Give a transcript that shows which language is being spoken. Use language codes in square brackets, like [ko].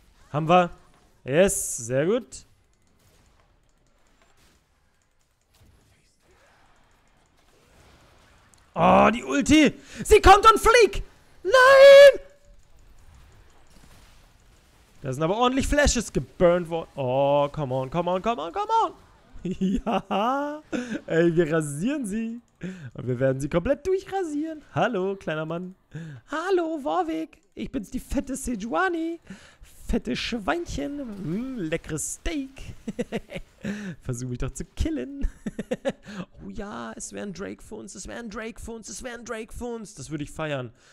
[de] Haben wir. Yes, sehr gut. Oh, die Ulti. Sie kommt und fliegt. Nein! Da sind aber ordentlich Flashes geburnt worden. [en] Oh, come on, come on, come on, come on. [de] Ja. Ey, wir rasieren sie. Und wir werden sie komplett durchrasieren. Hallo, kleiner Mann. Hallo, Warwick. Ich bin's, die fette Sejuani. Fette Schweinchen. Leckeres Steak. Versuche mich doch zu killen. Oh ja, es wäre ein Drake für uns. Es wäre ein Drake für uns. Es wäre ein Drake für uns. Das würde ich feiern.